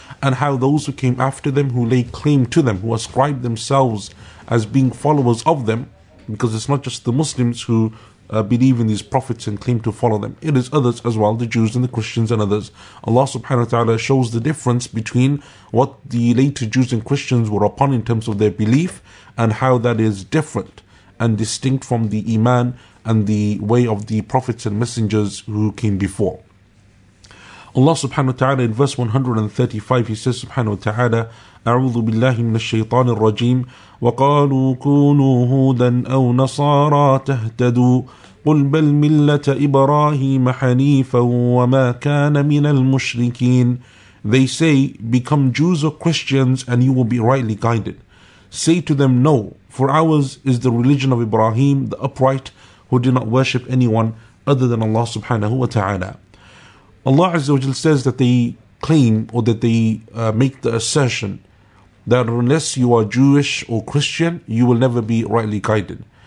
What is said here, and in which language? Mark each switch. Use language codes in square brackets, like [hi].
[en] and how those who came after them, who lay claim to them, who ascribed themselves as being followers of them, because it's not just the Muslims who believe in these prophets and claim to follow them, it is others as well, the Jews and the Christians and others. Allah subhanahu wa ta'ala shows the difference between what the later Jews and Christians were upon in terms of their belief, and how that is different and distinct from the iman and the way of the prophets and messengers who came before. Allah subhanahu wa ta'ala in verse 135, He says subhanahu wa ta'ala, [ar] أعوذ بالله من الشيطان الرجيم وقالوا كونوا هودا أو نصارى تهتدوا قل بل ملة إبراهيم حنيفا وما كان من المشركين. [en] They say, become Jews or Christians and you will be rightly guided. Say to them, no, for ours is the religion of Ibrahim, the upright, who did not worship anyone other than Allah subhanahu wa ta'ala. Allah azza wa jal says that they claim, or that they make the assertion, that unless you are Jewish or Christian, you will never be rightly guided.